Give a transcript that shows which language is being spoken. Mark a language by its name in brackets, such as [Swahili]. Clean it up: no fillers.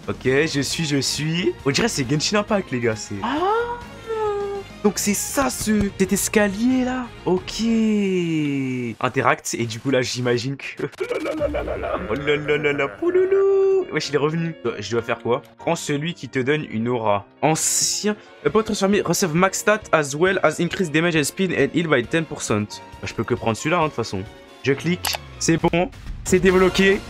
[French] Ok, je suis. On dirait que c'est Genshin Impact, les gars, c'est... Ah, donc c'est ça, cet escalier, là. Ok. Interact, et du coup, là, j'imagine que... Oh là là là là là là. Wesh, il est revenu. Je dois faire quoi? Prends celui qui te donne une aura. Ancien. Le pot transformé [English] receive max stat as well as increase damage and speed and heal by 10%. [French] Je peux que prendre celui-là, de toute façon. Je clique, c'est bon, c'est débloqué.